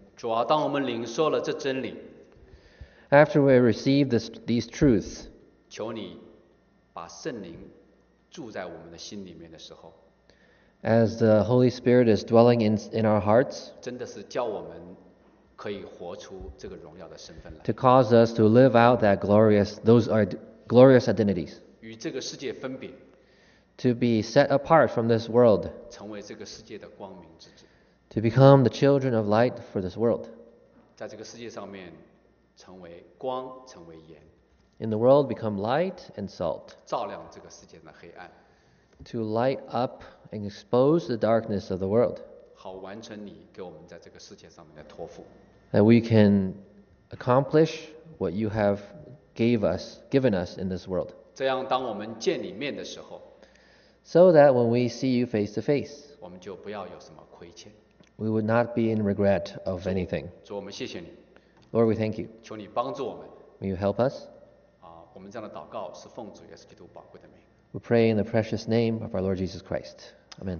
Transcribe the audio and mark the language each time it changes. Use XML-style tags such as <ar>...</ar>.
<zh>主啊，当我们领受了这真理。</zh> <en>After we receive these truths.</en> <zh>求你把圣灵住在我们的心里面的时候。</zh> <en>As the Holy Spirit is dwelling in our hearts.</en> <zh>真的是叫我们可以活出这个荣耀的身份来。</zh> <en>To cause us to live out that glorious, those are glorious identities.</en> <zh>与这个世界分别。</zh> <en>To be set apart from this world.</en> <zh>成为这个世界的光明之子。</zh> <en>To become the children of light for this world.</en> <zh>在这个世界上面成为光，成为盐。</zh> <en>In the world become light and salt.</en> <zh>照亮这个世界的黑暗。</zh> <en>To light up and expose the darkness of the world.</en> <zh>好完成你给我们在这个世界上面的托付。</zh> <en>That we can accomplish what you have given us in this world.</en> <zh>这样当我们见你面的时候。</zh> <en>So that when we see you face to face,</en> <zh>我们就不要有什么亏欠。</zh> <en>We would not be in regret of anything.</en> <zh>主，我们谢谢你。</zh> <en>Lord, we thank you.</en> <zh>求你帮助我们。</zh> <en>Will you help us?</en> <zh>我们这样的祷告是奉主耶稣基督宝贵的名。</zh> <en>We pray in the precious name of our Lord Jesus Christ. Amen.</en>